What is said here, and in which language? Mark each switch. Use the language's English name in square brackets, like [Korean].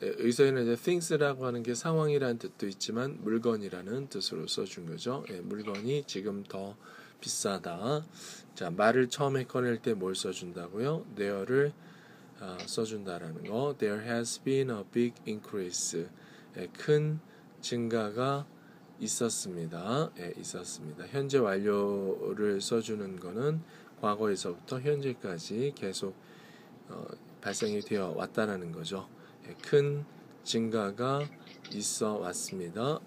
[Korean] 의사에는 이제 things라고 하는 게 상황이라는 뜻도 있지만 물건이라는 뜻으로 써준 거죠. 예, 물건이 지금 더 비싸다. 자, 말을 처음에 꺼낼 때 뭘 써준다고요? There를 써준다라는 거. [English] There has been a big increase. [Korean] 예, 큰 증가가 있었습니다. 예, 있었습니다. 현재 완료를 써주는 거는 과거에서부터 현재까지 계속 발생이 되어 왔다라는 거죠. 예, 큰 증가가 있어 왔습니다.